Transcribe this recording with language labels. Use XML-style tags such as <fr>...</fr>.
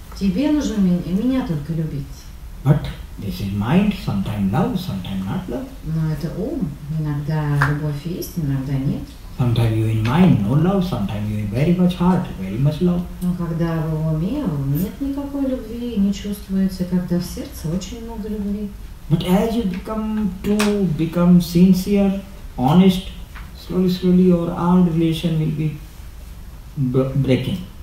<ru>Тебе нужно меня только любить.</ru> <en>But this is mind, sometimes love, sometimes not love.</en> <ru>Но это ум. Иногда любовь есть, иногда нет.</ru> <en>Sometimes you in mind, no love, sometimes you in very much heart, very much love.</en> <ru>Но когда в уме нет никакой любви, не чувствуется, когда в сердце очень много любви.</ru> <en>But as you become sincere, honest, slowly your all relation will be breaking.</en>